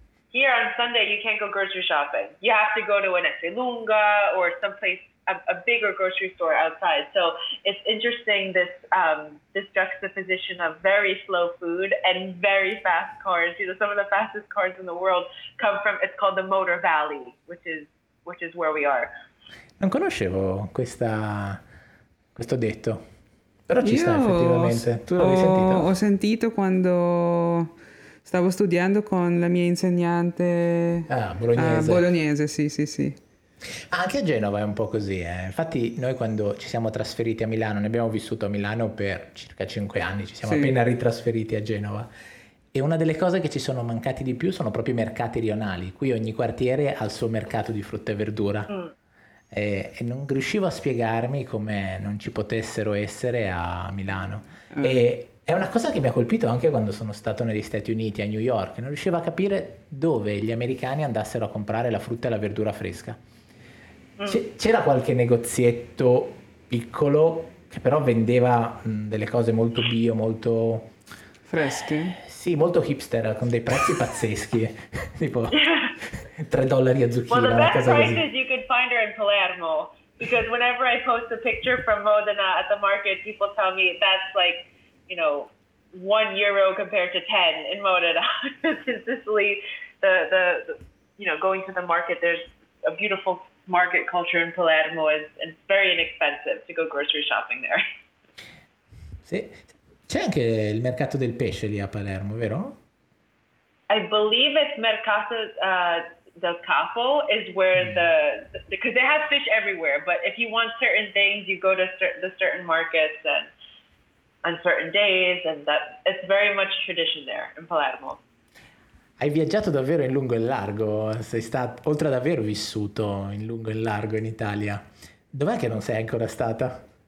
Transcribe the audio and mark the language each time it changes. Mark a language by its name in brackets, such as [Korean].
[English] Here on Sunday, you can't go grocery shopping. You have to go to an Esselunga or someplace, a bigger grocery store outside. So it's interesting, this this juxtaposition of very slow food and very fast cars. You know, some of the fastest cars in the world come from, it's called the Motor Valley, which is where we are. [Italian] Non conoscevo questo detto, però ci sta effettivamente. Tu l'avevi sentito? Ho sentito quando stavo studiando con la mia insegnante bolognese, sì. Anche a Genova è un po' così, eh. Infatti noi quando ci siamo trasferiti a Milano, ne abbiamo vissuto a Milano per circa 5 anni, ci siamo appena ritrasferiti a Genova, e una delle cose che ci sono mancati di più sono proprio i mercati rionali. Qui ogni quartiere ha il suo mercato di frutta e verdura, e non riuscivo a spiegarmi come non ci potessero essere a Milano. E è una cosa che mi ha colpito anche quando sono stato negli Stati Uniti, a New York. Non riuscivo a capire dove gli americani andassero a comprare la frutta e la verdura fresca. C'era qualche negozietto piccolo che però vendeva delle cose molto bio, molto fresche? Sì, molto hipster, con dei prezzi pazzeschi, tipo $3 a zucchina. [English] Well, the best prices you could find are in Palermo, because whenever I post a picture from Modena at the market, people tell me that's like, you know, €1 compared to 10 in Modena. In Sicily, the you know, going to the market, there's a beautiful market culture in Palermo, and it's very inexpensive to go grocery shopping there. [Italian] Sì. C'è anche il mercato del pesce lì a Palermo, vero? [English] I believe it's Mercato del Capo is where because they have fish everywhere, but if you want certain things, you go to the certain markets and on certain days, and that it's very much tradition there in Palermo. [Italian] Hai viaggiato davvero in lungo e largo, sei stato, oltre ad aver vissuto in lungo e largo in Italia, dov'è che non sei ancora stata?